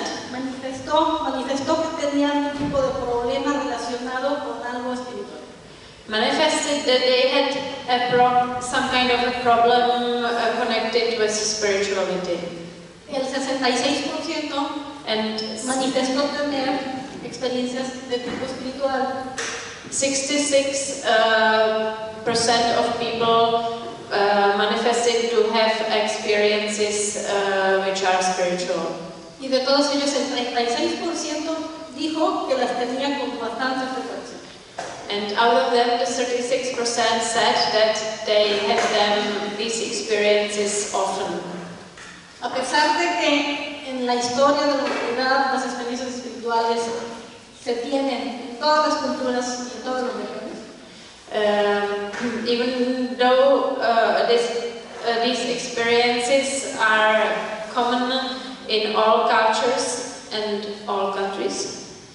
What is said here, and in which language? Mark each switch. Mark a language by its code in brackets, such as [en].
[es] Manifestó que tenía algún tipo de problema relacionado con algo espiritual. [en] Manifested that they had a some kind of a problem connected with spirituality. [es] El 66% manifestó tener experiencias de tipo espiritual. [en] 66% of people manifesting to have experiences which are spiritual. [es] Y de todos ellos el 36% dijo que las tenía con bastante frecuencia. [en] And out of them, the 36% said that they had them these experiences often. [es] A pesar de que en la historia de la humanidad las experiencias espirituales se tienen en todas las culturas y en todos los lugares. [en] Even though these experiences are common in all cultures and all countries.